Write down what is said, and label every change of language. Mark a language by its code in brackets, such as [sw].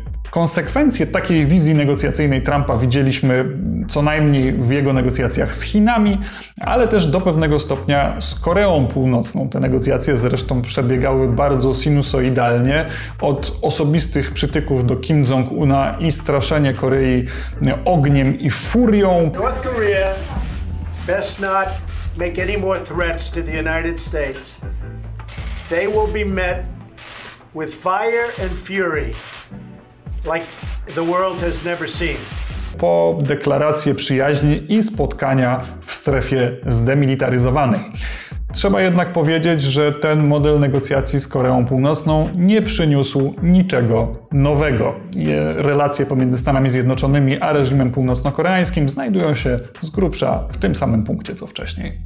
[pl] Konsekwencje takiej wizji negocjacyjnej Trumpa widzieliśmy co najmniej w jego negocjacjach z Chinami, ale też do pewnego stopnia z Koreą Północną. Te negocjacje zresztą przebiegały bardzo sinusoidalnie. Od osobistych przytyków do Kim Jong-una i straszenie Korei ogniem i furią. [en] North Korea best not make any more threats to the United States. They will be met with fire and fury. Like the world has never seen. [pl] Po deklarację przyjaźni i spotkania w strefie zdemilitaryzowanej. Trzeba jednak powiedzieć, że ten model negocjacji z Koreą Północną nie przyniósł niczego nowego. Relacje pomiędzy Stanami Zjednoczonymi a reżimem północno-koreańskim znajdują się z grubsza w tym samym punkcie co wcześniej.